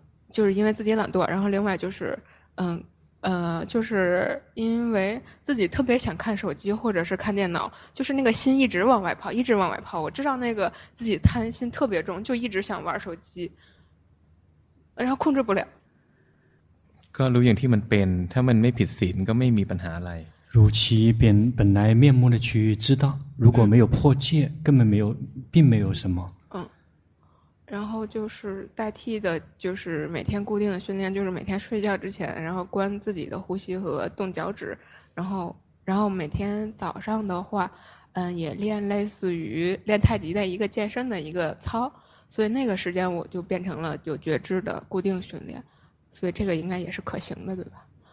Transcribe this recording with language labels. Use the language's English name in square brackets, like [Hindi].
[Chinese] 就是因为自己懒惰，然后另外就是就是因为自己特别想看手机或者是看电脑，就是那个心一直往外跑，一直往外跑。我知道那个自己贪心特别重，就一直想玩手机，然后控制不了。 [Thai] ก็รู้อย่างที่มันเป็นถ้ามันไม่ผิดศีลก็ไม่มีปัญหาอะไร。 [Chinese] 如其本来面目的去知道，如果没有破戒，根本没有，并没有什么。然后就是代替的就是每天固定的训练，就是每天睡觉之前然后观自己的呼吸和动脚趾，然后每天早上的话也练类似于练太极的一个健身的一个操，所以那个时间我就变成了有觉知的固定训练，所以这个应该也是可行的，对吧？